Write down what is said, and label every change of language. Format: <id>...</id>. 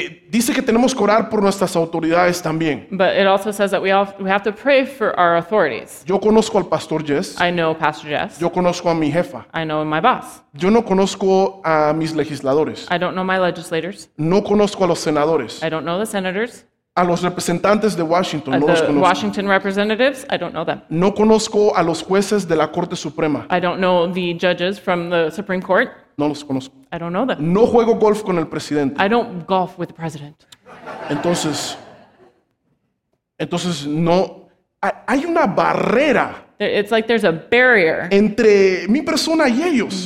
<es>dice que tenemos que orar por nuestras autoridades también.</es> <en>But it also says that we have to pray for our authorities.</en> <es>Yo conozco al Pastor Jess.</es> <en>I know Pastor Jess.</en> <es>Yo conozco a mi jefa.</es> <en>I know my boss.</en> <es>Yo no conozco a mis legisladores.</es> <en>I don't know my legislators.</en> <es>No conozco a los senadores.</es> <en>I don't know the senators.</en> <es>A los representantes de Washington, no los conozco.</es> <en>The Washington representatives, I don't know them.</en> <es>No conozco a los jueces de la Corte Suprema.</es> <en>I don't know the judges from the Supreme Court.</en> <es>No los conozco.</es> <en>I don't know them.</en> <es>No juego golf con el presidente.</es> <en>I don't golf with the president.</en> <es>Entonces no hay una barrera.</es> <en>It's like there's a barrier</en> <es>entre mi persona y ellos.</es>